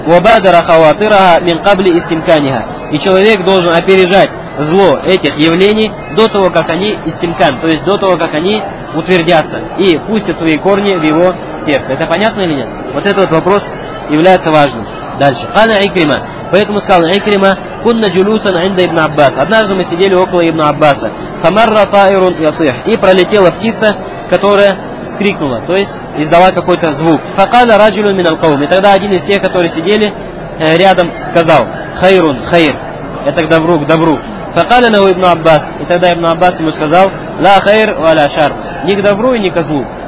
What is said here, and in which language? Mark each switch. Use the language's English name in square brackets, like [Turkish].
[Arabic] وَبَادَرَ خَوَاطِرَهَا مِنْ قَبْلِ إِسْتِمْكَانِهَا. [Russian] И человек должен опережать зло этих явлений до того, как они истимкан, то есть до того, как они утвердятся и пустят свои корни в его сердце. Это понятно или нет? Вот этот вопрос является важным. Дальше. [Arabic] قَالَ عِكْرِمَ. [Russian] Поэтому сказал [Arabic] عِكْرِمَ كُنَّ جُلُوسًا عِنْدَ ابْنَ عَبَّاسَ. [Russian] Однажды мы сидели около ابن عباس. [Arabic] فَمَرَّ طَائِرٌ يَصِيحُ. [Russian] И пролетела птица, которая скрикнула, то есть издала какой-то звук. [Arabic] فَقَالَ رَجُلٌ مِنَ الْقَوْمِ. [Russian] И тогда один из тех, которые сидели рядом, сказал: [Arabic] خَيْرٌ خَيْرٌ. [Russian] Это к добру, к добру. [Arabic] فَقَالَ لَهُ ابْنُ عَبَّاسٍ. [Russian] И тогда ابن عباس ему сказал: [Arabic] لَا خَيْرٌ وَلَا شَرٌ. [Russian] Ни к добру и ни ко злу.